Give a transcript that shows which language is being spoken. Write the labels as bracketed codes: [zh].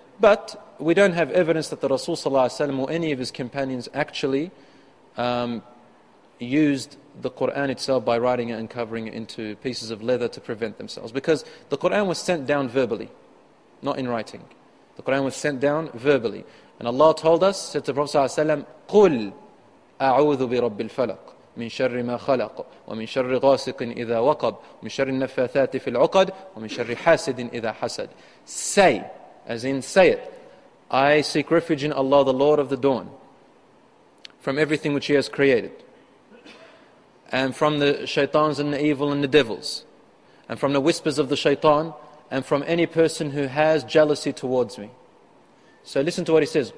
[en] But we don't have evidence that the Rasul Sallallahu Alaihi Wasallam or any of his companions actually used the Quran itself by writing it and covering it into pieces of leather to prevent themselves. Because the Quran was sent down verbally, not in writing. The Quran was sent down verbally. [ar] And Allah told us, said to the Prophet Sallallahu Alaihi Wasallam, قُلْ أَعُوذُ بِرَبِّ الْفَلَقِ مِن شَرِّ مَا خَلَقُ وَمِن شَرِّ غَاسِقٍ إِذَا وَقَبْ وَمِن شَرِّ النَّفَّاثَاتِ فِي الْعُقَدِ وَمِن شَرِّ حَاسِدٍ إِذَا حَسَدْ. [en] Say, as in say it, I seek refuge in Allah, the Lord of the dawn, from everything which He has created, and from the shaitans and the evil and the devils, and from the whispers of the shaitan, and from any person who has jealousy towards me. So listen to what he says.